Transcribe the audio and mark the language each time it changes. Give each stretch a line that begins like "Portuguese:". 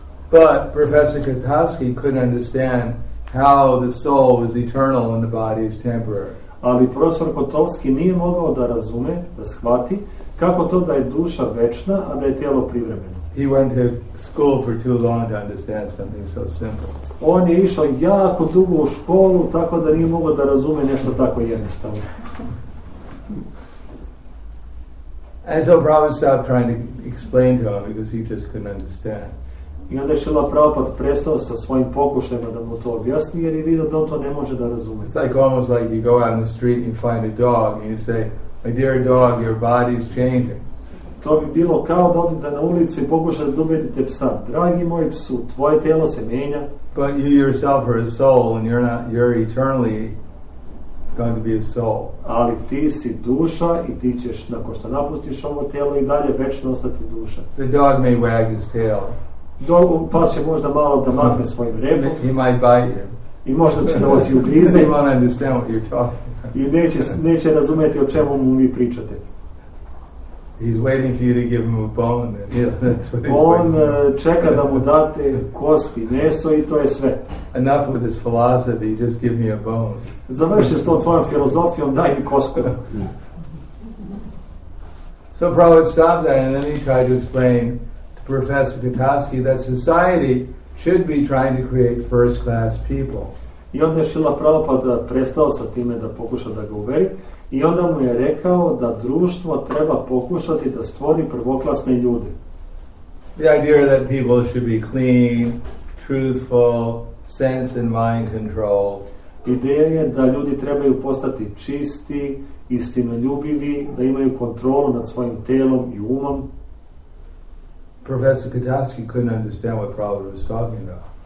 English: But Professor Kotovski couldn't understand how the soul is eternal and the body is temporary.
Serbian: Ali profesor Kotovski nije mogao da razume, da shvati, kako to da je duša večna, a da je tijelo privremeno.
English: He went to school for too long to understand something so simple.
Serbian: On je išao jako dugo u školu, tako da nije mogao da razume nešto tako jednostavno.
English: And so Prabhupada stopped trying to explain to him because he just couldn't understand.
Serbian: I onda je Srila Prabhupada prestao sa svojim pokušajima da mu to objasni jer je vidio da on to ne može da razume.
English: It's like almost like you go out in the street and you find a dog and you say, my dear dog, your body's changing.
Serbian: To bi bilo kao da odete na ulicu i pokušate da ubedite psa. Dragi moj psu, tvoje telo se menja.
English: But you yourself are a soul and you're eternally going to be a soul.
Serbian: Ali ti si duša i ti ćeš nakon što napustiš ovo tijelo i dalje večno ostati duša.
English: The dog may wag his tail.
Serbian: Dog, pas će možda malo da makne svojim repom.
English: He might bite him.
Serbian: I možda će da vas i ugrize.
English: He won't understand what you're talking.
Serbian: I neće razumjeti o čemu mu vi pričate.
English: He's waiting for you to give him a bone. And that's what he's
Serbian: on čeka da mu date kosti, meso i to je sve.
English: Enough with his philosophy, just give me a bone.
Serbian: Završi s tom tvojom filozofijom, daj mi kosku.
English: So Prabhupada stopped that and then he tried to explain to Professor Katowski that society should be trying to create first class people.
Serbian: I onda je Šila Prabhupada prestao sa time da pokuša da ga uveri. I onda mu je rekao da društvo treba pokušati da stvori prvoklasne ljude.
English: The idea that people should be clean, truthful, sense and mind control.
Serbian: Ideja je da ljudi trebaju postati čisti, istinoljubivi, da imaju kontrolu nad svojim telom i umom.
English: Professor Katowski couldn't understand what Prabhupada was talking about.